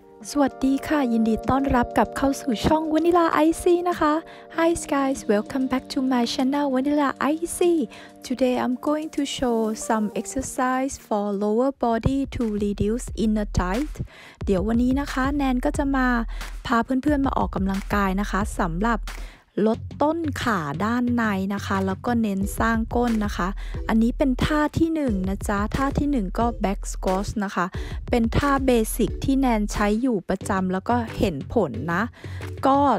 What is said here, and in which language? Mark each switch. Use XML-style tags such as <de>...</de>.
<th>สวัสดีค่ะยินดีต้อนรับกับเข้าสู่ช่อง Vanilla IC นะคะ</th> <en>Hi guys, welcome back to my channel Vanilla IC. Today I'm going to show some exercise for lower body to reduce inner tight.</en> <th>เดี๋ยววันนี้นะคะแนนก็จะมาพาเพื่อนๆมาออกกำลังกายนะคะสำหรับลดต้นขาด้านในนะคะแล้วก็เน้นสร้างก้นนะคะอันนี้เป็นท่าที่1นะจ๊ะท่าที่1ก็ back squat นะคะเป็นท่าเบสิกที่แนนใช้อยู่ประจำแล้วก็เห็นผลนะก็</th>